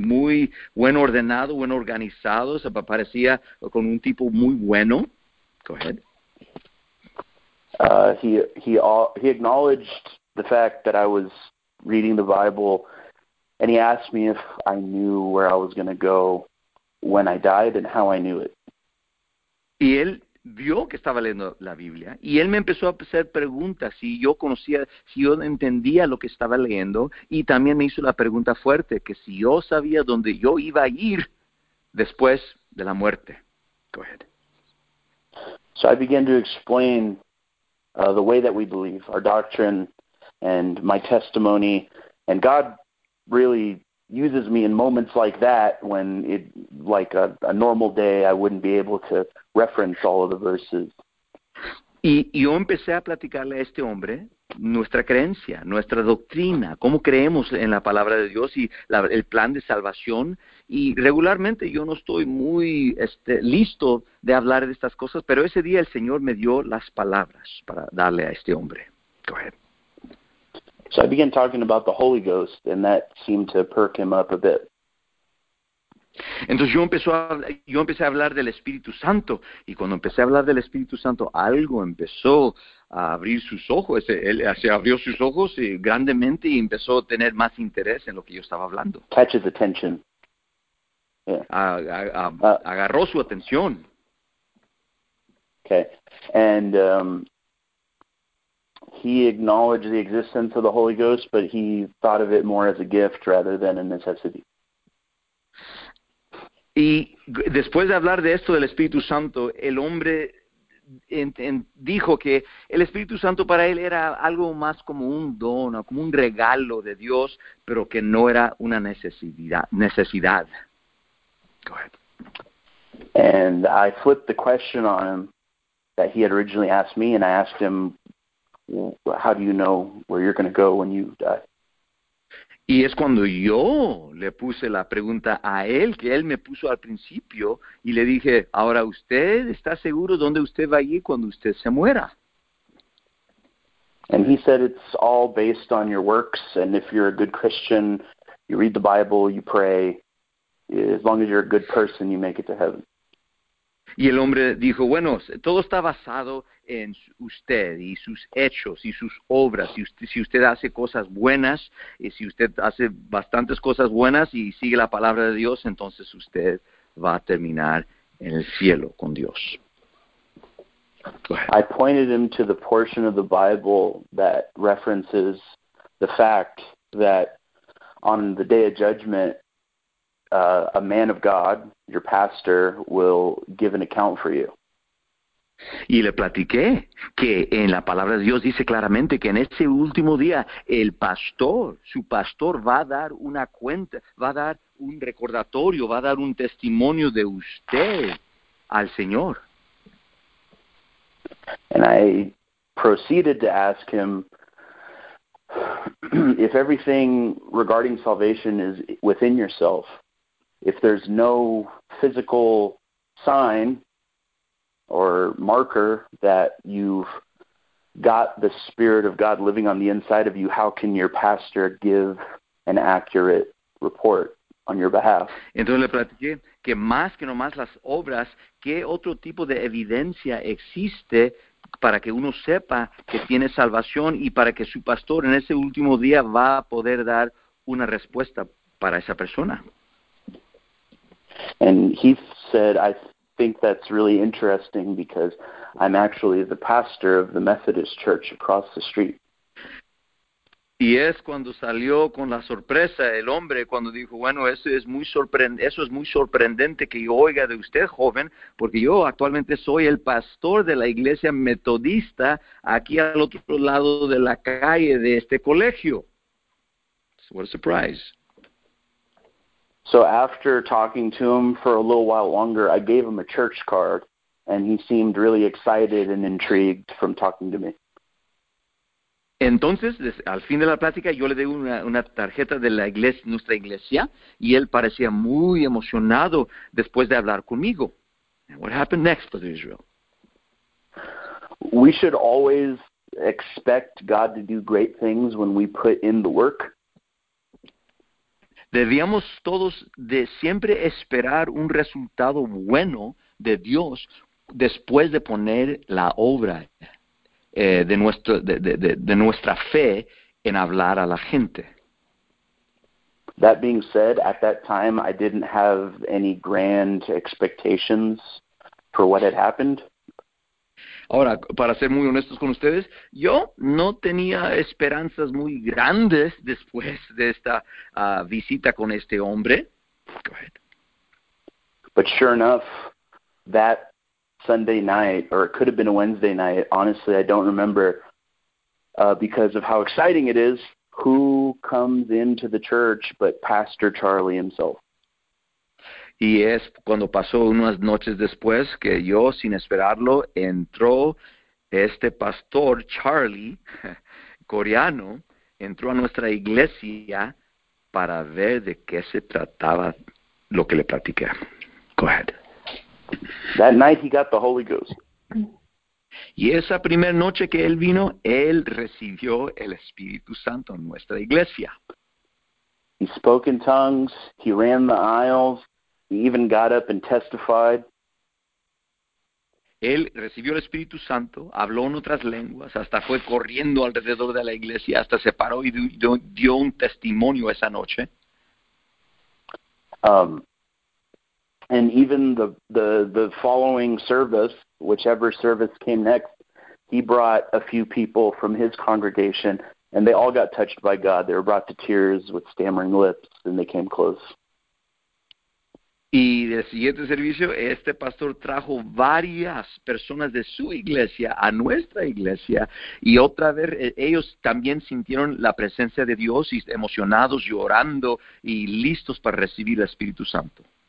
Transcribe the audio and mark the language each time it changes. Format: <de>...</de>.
<es>Muy buen ordenado, buen organizado. O sea, parecía con un tipo muy bueno.</es> <en>Go ahead. He acknowledged the fact that I was reading the Bible, and he asked me if I knew where I was going to go when I died and how I knew it.</en> <es>Y él vio que estaba leyendo la Biblia y él me empezó a hacer preguntas si yo conocía, si yo entendía lo que estaba leyendo y también me hizo la pregunta fuerte, que si yo sabía dónde yo iba a ir después de la muerte.</es> <en>Go ahead. So I began to explain the way that we believe, our doctrine, and my testimony. And God really uses me in moments like that when like a normal day, I wouldn't be able to reference all of the verses.</en> <es>Y yo empecé a platicarle a este hombre nuestra creencia, nuestra doctrina, cómo creemos en la palabra de Dios y el plan de salvación. Y regularmente yo no estoy muy listo de hablar de estas cosas, pero ese día el Señor me dio las palabras para darle a este hombre.</es> <en>Go ahead. So I began talking about the Holy Ghost, and that seemed to perk him up a bit.</en> <es>Entonces yo empecé a hablar del Espíritu Santo y cuando empecé a hablar del Espíritu Santo algo empezó a abrir sus ojos, él se abrió sus ojos y grandemente y empezó a tener más interés en lo que yo estaba hablando.</es> <en>Catch his attention. Yeah.</en> <es>Agarró su atención.</es> <en>Okay. And he acknowledged the existence of the Holy Ghost, but he thought of it more as a gift rather than a necessity.</en> <es>Y después de hablar de esto del Espíritu Santo, el hombre dijo que el Espíritu Santo para él era algo más como un don, o como un regalo de Dios, pero que no era una necesidad.</es> <en>Go ahead. And I flipped the question on him that he had originally asked me, and I asked him, how do you know where you're going to go when you die?</en> <es>Y es cuando yo le puse la pregunta a él, que él me puso al principio, y le dije, ahora usted está seguro dónde usted va a ir cuando usted se muera.</es> <en>And he said it's all based on your works, and if you're a good Christian, you read the Bible, you pray, as long as you're a good person, you make it to heaven.</en> <es>Y el hombre dijo, bueno, todo está basado en usted y sus hechos y sus obras. Si usted hace cosas buenas y si usted hace bastantes cosas buenas y sigue la palabra de Dios, entonces usted va a terminar en el cielo con Dios.</es> <en>Go ahead. I pointed him to the portion of the Bible that references the fact that on the day of judgment, a man of God, your pastor, will give an account for you.</en> <es>Y le platiqué que en la palabra de Dios dice claramente que en ese último día el pastor, su pastor va a dar una cuenta, va a dar un recordatorio, va a dar un testimonio de usted al Señor.</es> <en>And I proceeded to ask him if everything regarding salvation is within yourself, if there's no physical sign or marker that you've got the Spirit of God living on the inside of you, how can your pastor give an accurate report on your behalf?</en> <es>Entonces le platiqué que más que nomás las obras, ¿qué otro tipo de evidencia existe para que uno sepa que tiene salvación y para que su pastor en ese último día va a poder dar una respuesta para esa persona?</es> <en>And he said, I think that's really interesting because I'm actually the pastor of the Methodist church across the street.</en> <es>Y es cuando salió con la sorpresa el hombre, cuando dijo, bueno, eso es muy sorprendente que yo oiga de usted, joven, porque yo actualmente soy el pastor de la iglesia metodista aquí al otro lado de la calle de este colegio.</es> <en>What a surprise. So after talking to him for a little while longer, I gave him a church card, and he seemed really excited and intrigued from talking to me.</en> <es>Entonces, al fin de la plática, yo le di una tarjeta de nuestra iglesia y él parecía muy emocionado después de hablar conmigo.</es> <en>And what happened next, Brother Israel? We should always expect God to do great things when we put in the work.</en> <es>Debíamos todos de siempre esperar un resultado bueno de Dios después de poner la obra de nuestra fe en hablar a la gente.</es> <en>That being said, at that time, I didn't have any grand expectations for what had happened.</en> <es>Ahora, para ser muy honestos con ustedes, yo no tenía esperanzas muy grandes después de esta visita con este hombre.</es> <en>Go ahead. But sure enough, that Sunday night, or it could have been a Wednesday night, honestly, I don't remember, because of how exciting it is, who comes into the church but Pastor Charlie himself.</en> <es>Y es cuando pasó unas noches después que yo, sin esperarlo, entró este pastor Charlie, coreano, entró a nuestra iglesia para ver de qué se trataba lo que le platiqué.</es> <en>Go ahead. That night he got the Holy Ghost.</en> <es>Y esa primera noche que él vino, él recibió el Espíritu Santo en nuestra iglesia.</es> <en>He spoke in tongues, he ran the aisles. He even got up and testified.</en> <es>Él recibió el Espíritu Santo, habló en otras lenguas, hasta fue corriendo alrededor de la iglesia, hasta se paró y dio un testimonio esa noche.</es> <en>And even the following service, whichever service came next, he brought a few people from his congregation, and they all got touched by God. They were brought to tears with stammering lips, and they came close.</en> <es>Y del siguiente servicio, este pastor trajo varias personas de su iglesia a nuestra iglesia y otra vez ellos también sintieron la presencia de Dios y emocionados, llorando y listos para recibir el Espíritu Santo.</es>